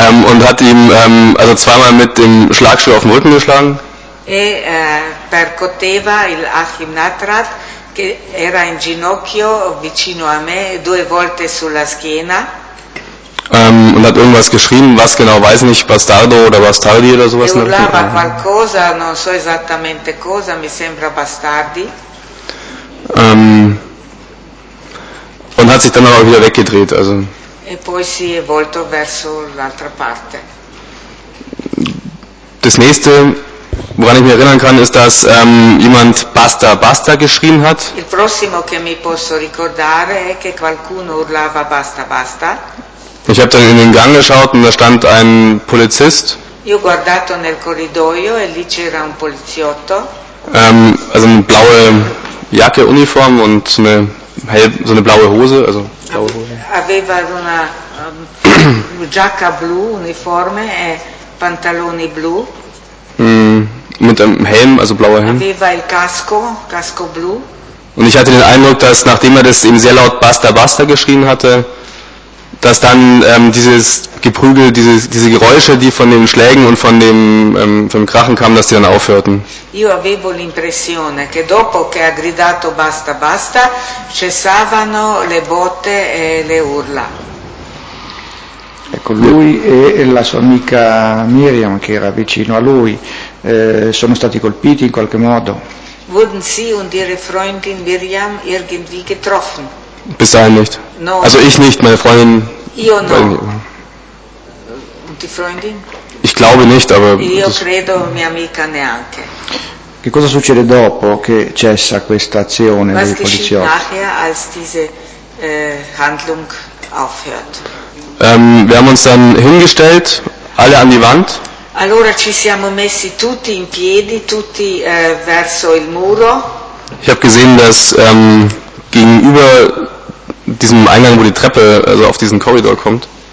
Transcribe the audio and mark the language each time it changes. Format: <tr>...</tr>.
<de>und hat ihm also zweimal mit dem Schlagstuhl auf den Rücken geschlagen.</de> <it>E percoteva il Achim Natrat, che era in ginocchio vicino a me, due volte sulla schiena.</it> <de>Und hat irgendwas geschrien, was genau, weiß nicht, Bastardo oder Bastardi oder sowas.</de> <it>Ich urlava qualcosa, non so esattamente cosa, mi sembra Bastardi.</it> <de>Und hat sich dann aber wieder weggedreht, also.</de> <it>E poi si è volto verso l'altra parte.</it> <de>Das nächste, woran ich mich erinnern kann, ist, dass jemand Basta, Basta geschrien hat.</de> <it>Il prossimo che mi posso ricordare è che qualcuno urlava Basta, Basta.</it> <de>Ich habe dann in den Gang geschaut und da stand ein Polizist.</de> <it>Io ho guardato nel corridoio e lì c'era un poliziotto.</it> <de>Also eine blaue Jacke, Uniform und so eine, so eine blaue Hose, also blaue Hose.</de> <it>Aveva una giacca blu, uniforme e pantaloni blu.</it> <de>Mit einem Helm, also blauer Helm.</de> <it>Aveva il casco, casco blu.</it> <de>Und ich hatte den Eindruck, dass nachdem er das eben sehr laut Basta Basta geschrien hatte, dass dann dieses Geprügel, diese Geräusche, die von den Schlägen und von dem vom Krachen kamen, dass die dann aufhörten.</de> <it>Io avevo l'impressione che dopo che ha gridato basta basta cessavano le botte e le urla. Ecco, lui e la sua amica Miriam, che era vicino a lui, sono stati colpiti in qualche modo.</it> <de>Wurden Sie und Ihre Freundin Miriam irgendwie getroffen? Bis dahin nicht.</de> <it>No.</it> <de>Also ich nicht, meine Freundin.</de> <it>Io no.</it> <de>Und die Freundin? Ich glaube nicht, aber.</de> <it>Io credo, mia amica neanche. Che cosa succede dopo che cessa questa azione dei poliziotti?</it> <de>Was geschieht nachher, als diese Handlung aufhört? Wir haben uns dann hingestellt, alle an die Wand.</de> <it>Allora ci siamo messi tutti in piedi, tutti verso il muro.</it> <de>Ich habe gesehen, dass gegenüber diesem Eingang, wo die Treppe also auf diesen Korridor kommt.</de>